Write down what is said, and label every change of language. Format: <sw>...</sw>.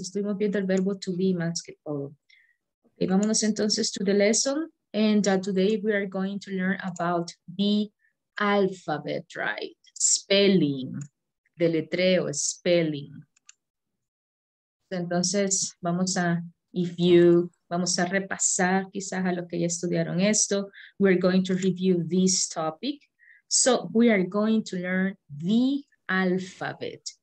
<es>Estuvimos viendo el verbo</es> <en>to be</en> <es>más que todo.</es> <en>Okay,</en> <es>vámonos entonces</es> <en>to the lesson. And today we are going to learn about the alphabet, right? Spelling, deletreo, spelling.</en> <es>Entonces, vamos a repasar quizás a los que ya estudiaron esto.</es> <en>We're going to review this topic. So, we are going to learn the alphabet.</en>